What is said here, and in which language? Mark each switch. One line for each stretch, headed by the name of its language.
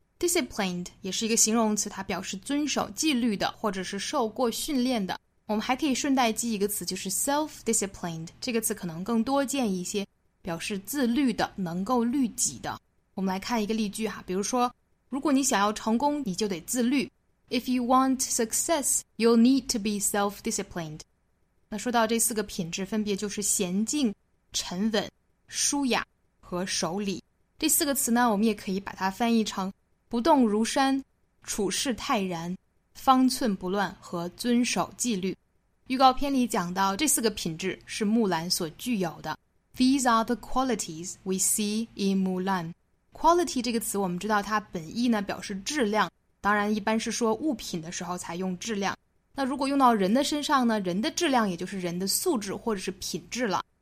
Chinese: Disciplined 也是一个形容词，它表示遵守纪律的，或者是受过训练的。我们还可以顺带记一个词，就是 self-disciplined， 这个词可能更多见一些，表示自律的，能够律己的。我们来看一个例句哈，比如说，如果你想要成功，你就得自律。
English: If you want success, you'll need to be self-disciplined.
Chinese: 那说到这四个品质，分别就是娴静、沉稳、舒雅和守礼。这四个词呢，我们也可以把它翻译成不动如山、处事泰然、方寸不乱和遵守纪律。预告片里讲到这四个品质是木兰所具有的。
English: These are the qualities we see in Mulan.
Chinese: Quality 这个词我们知道它本意呢表示质量，当然一般是说物品的时候才用质量。那如果用到人的身上呢，人的质量也就是人的素质或者是品质了。